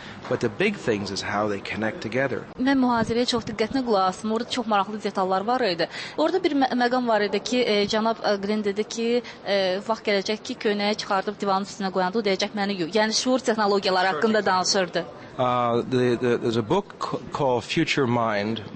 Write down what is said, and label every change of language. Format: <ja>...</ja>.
<en>But the big things is how they connect together.</en> <az>Mən mühazirəyə çox diqqətlə qulaq asdım. Orada çox maraqlı detallar var idi. Orada bir məqam var idi ki, cənab Green dedi ki, vaxt gələcək ki, köynəyi çıxardıb divanın üstünə qoyanda o deyəcək məni yox. Yəni şuur texnologiyaları haqqında danışırdı.</az> <en>There's a book called Future Mind.</en>